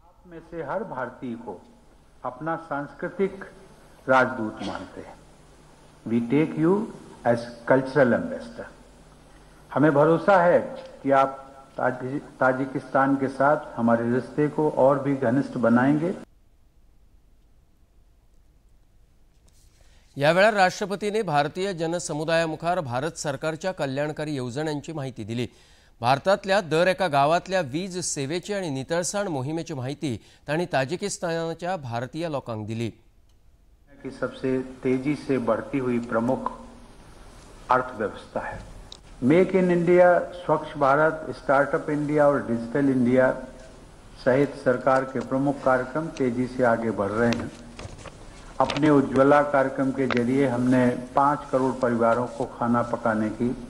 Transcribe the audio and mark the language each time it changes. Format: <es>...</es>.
<hi>में से हर भारतीय को अपना सांस्कृतिक राजदूत मानते हैं.</hi> <en>We take you as cultural ambassador.</en> <hi>हमें भरोसा है कि आप ताजिकिस्तान के साथ हमारे रिश्ते को और भी घनिष्ठ बनाएंगे.</hi> <kok>या वेळार राष्ट्रपतींनी भारतीय जनसमुदाया मुखार भारत सरकारच्या कल्याणकारी योजनांची माहिती दिली. भारतातल्या दर एका गावातल्या वीज सेवेची आणि नितळसाण मोहिमेची माहिती त्यांनी ताजिकिस्तानच्या भारतीय लोकांक दिली.</kok> <hi>की सबसे तेजी से बढ़ती हुई प्रमुख अर्थव्यवस्था है. मेक इन इंडिया, स्वच्छ भारत, स्टार्टअप इंडिया और डिजिटल इंडिया सहित सरकार के प्रमुख कार्यक्रम तेजी से आगे बढ़ रहे हैं. अपने उज्ज्वला कार्यक्रम के जरिए हमने 5 करोड़ परिवारों को खाना पकाने की</hi>